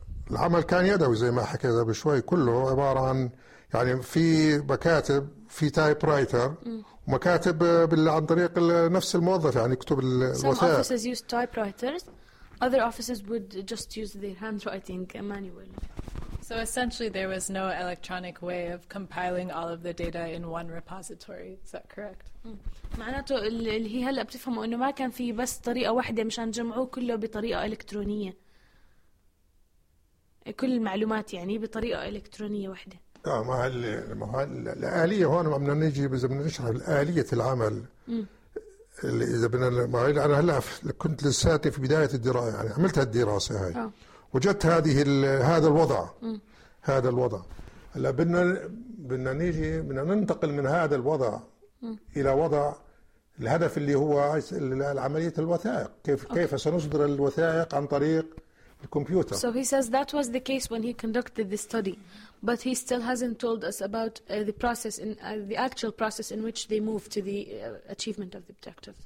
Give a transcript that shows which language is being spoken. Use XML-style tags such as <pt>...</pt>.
<ar>العمل كان يدوي زي ما حكيت قبل شوي كله عبارة عن يعني في مكاتب في تايب رايتر ومكاتب عن طريق نفس الموظف يعني يكتب الوثائق.</ar> <en>Some offices used typewriters. Other offices would just use their handwriting manually. So essentially there was no electronic way of compiling all of the data in one repository. Is that correct?</en> <ar>معناته اللي هي هلا بتفهموا انه ما كان في بس طريقة واحدة مشان جمعوه كله بطريقة الكترونية. كل المعلومات يعني بطريقة إلكترونية واحدة. آه ما هال ما هال الآلية هون ما بدنا نيجي إذا بدنا نشرح الآلية العمل. اللي إذا بدنا ما هي أنا هلا كنت لساتي في بداية الدراسة يعني عملت هالدراسة هاي. وجدت هذا الوضع. هذا الوضع. هلا بدنا نيجي بدنا ننتقل من هذا الوضع إلى وضع الهدف اللي هو عملية الوثائق كيف سنصدر الوثائق عن طريق computer.</ar> <en>So he says that was the case when he conducted the study, but he still hasn't told us about the process in the actual process in which they move to the achievement of the objective.</en>